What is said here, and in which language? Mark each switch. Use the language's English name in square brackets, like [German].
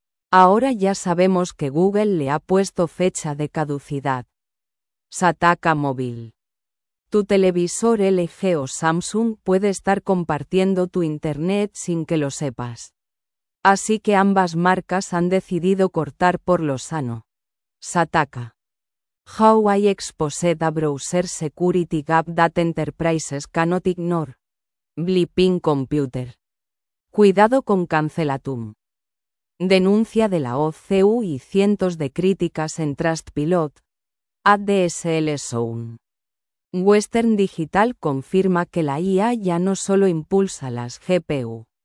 [Spanish] Ahora ya sabemos que Google le ha puesto fecha de caducidad. Sataka Móvil. Tu televisor LG o Samsung puede estar compartiendo tu internet sin que lo sepas. Así que ambas marcas han decidido cortar por lo sano. Sataka. [English] How I exposed a browser security gap that enterprises cannot ignore. [Spanish] Bleeping Computer. Cuidado con Cancelatum. Denuncia de la OCU y cientos de críticas en Trustpilot. ADSL Zone. Western Digital confirma que la IA ya no solo impulsa las GPU.